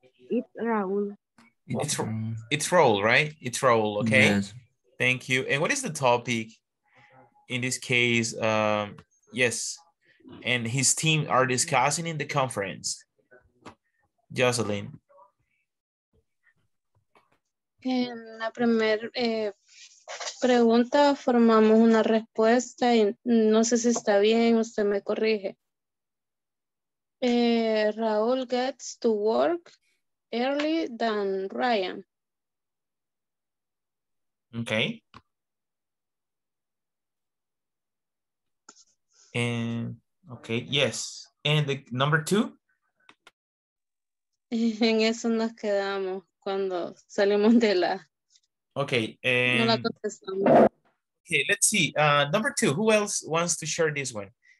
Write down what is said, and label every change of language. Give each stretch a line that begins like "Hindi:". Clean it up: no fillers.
English: It's Raul, right? It's Raul, okay? Yes. Thank you. And what is the topic in this case? Yes, and his team are discussing in the conference. Jocelyn.
Spanish: En la primera pregunta formamos una respuesta y no sé si está bien, usted me corrige.
English: Raúl gets to work early than Ryan. Okay. Yes. And the number two?
Spanish: En eso nos quedamos cuando salimos de la.
English: Okay.
Spanish: No la contestamos.
English: Okay, let's see. Number two, who else wants to share this one?